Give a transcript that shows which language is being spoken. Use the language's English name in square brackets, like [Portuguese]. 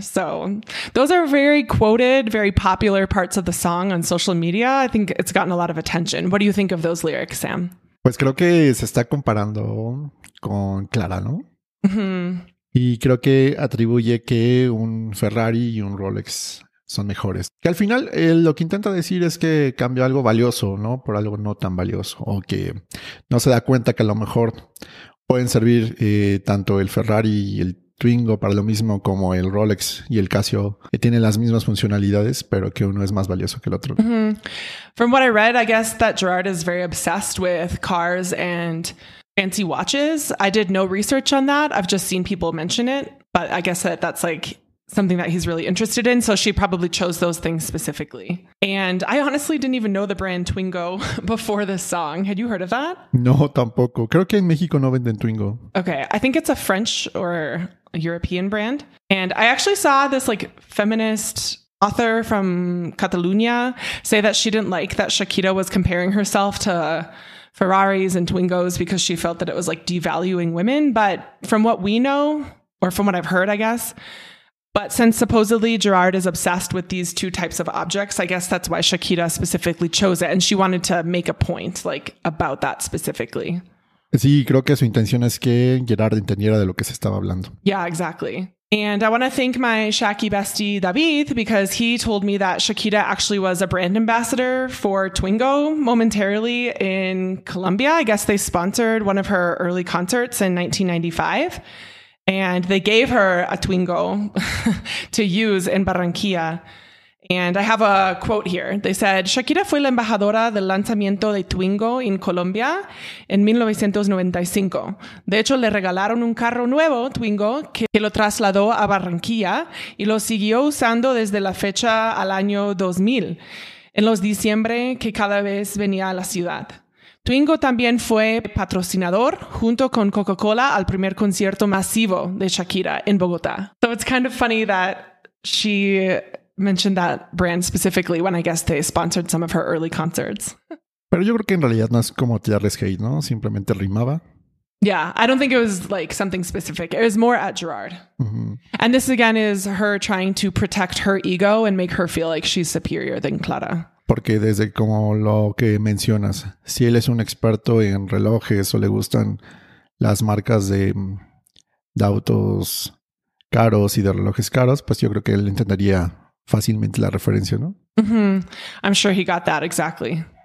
[English] So those are very quoted, very popular parts of the song on social media. I think it's gotten a lot of attention. What do you think of those lyrics, Sam? [Spanish] Pues creo que se está comparando con Clara, ¿no? Mm-hmm. Y creo que atribuye que un Ferrari y un Rolex son mejores. Que al final lo que intenta decir es que cambió algo valioso, ¿no? Por algo no tan valioso. O que no se da cuenta que a lo mejor pueden servir tanto el Ferrari y el Twingo para lo mismo como el Rolex y el Casio, que tienen las mismas funcionalidades, pero que uno es más valioso que el otro. Mm-hmm. [English] From what I read, I guess that Gerard is very obsessed with cars and fancy watches. I did no research on that. I've just seen people mention it, but I guess that that's like something that he's really interested in. So she probably chose those things specifically. And I honestly didn't even know the brand Twingo before this song. Had you heard of that? [Spanish] No, tampoco. Creo que en México no venden Twingo. [English] Okay. I think it's a French or a European brand. And I actually saw this like feminist author from Catalonia say that she didn't like that Shakira was comparing herself to Ferraris and Twingos because she felt that it was like devaluing women. But from what we know, or from what I've heard, I guess, but since supposedly Gerard is obsessed with these two types of objects, I guess that's why Shakira specifically chose it. And she wanted to make a point like about that specifically. [Spanish] Sí, creo que su intención es que Gerard entendiera de lo que se estaba hablando. [English] Yeah, exactly. And I want to thank my Shaki bestie, David, because he told me that Shakira actually was a brand ambassador for Twingo momentarily in Colombia. I guess they sponsored one of her early concerts in 1995. And they gave her a Twingo to use in Barranquilla. And I have a quote here. They said, [Spanish] Shakira fue la embajadora del lanzamiento de Twingo en Colombia en 1995. De hecho, le regalaron un carro nuevo, Twingo, que lo trasladó a Barranquilla y lo siguió usando desde la fecha al año 2000, en los diciembre que cada vez venía a la ciudad. Twingo también fue patrocinador junto con Coca-Cola al primer concierto masivo de Shakira en Bogotá. [English] So it's kind of funny that she mentioned that brand specifically when I guess they sponsored some of her early concerts. [Spanish] Pero yo creo que en realidad no es como tirarles hate, ¿no? Simplemente rimaba. [English] Yeah, I don't think it was like something specific. It was more at Gerard. Mm-hmm. And this again is her trying to protect her ego and make her feel like she's superior than Clara. [Spanish] Porque desde como lo que mencionas, si él es un experto en relojes o le gustan las marcas de autos caros y de relojes caros, pues yo creo que él entendería fácilmente la referencia, ¿no? [English] Mm-hmm. I'm sure he got that, exactly.